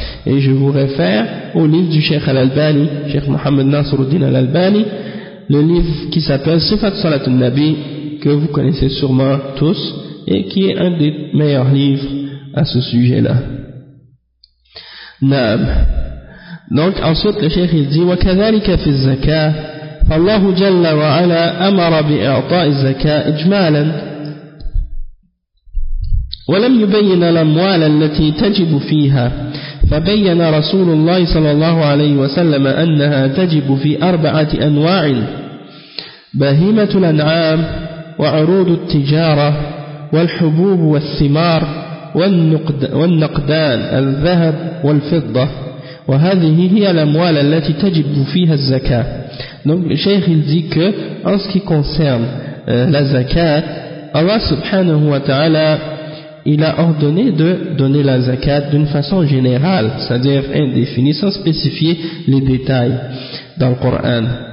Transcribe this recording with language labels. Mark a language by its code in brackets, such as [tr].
[fr] Et je vous réfère au livre du Cheikh Al-Albani, Cheikh Mohamed Nasruddin Al-Albani, le livre qui s'appelle Sifat Salat al-Nabi, que vous connaissez sûrement tous, et qui est un des meilleurs livres à ce sujet-là. [ar] Naam. [fr] Donc ensuite le cheikh il dit, [ar] وَكَذَلِكَ فِي الزَّكَاةِ فَاللَّهُ جَلَّ وَعَلَىٰ أَمَرَ بِإِعْطَاءِ الزَّكَاةِ إِجْمَالًا وَلَمْ يُبَيِّنَ الْأَمْوَالَ الَّتِي تَجِبُ فِيهَا فبين رسول الله صلى الله عليه وسلم أنها تجب في أربعة أنواع: بهيمة الأنعام وعروض التجارة والحبوب والثمار والنقدان الذهب والفضة وهذه هي الأموال التي تجب فيها الزكاة. [fr] Donc le cheikh il dit que en ce qui concerne la zakat, Allah subhanahu wa ta'ala, il a ordonné de donner la zakat d'une façon générale, c'est-à-dire indéfinie, sans spécifier les détails dans le Coran.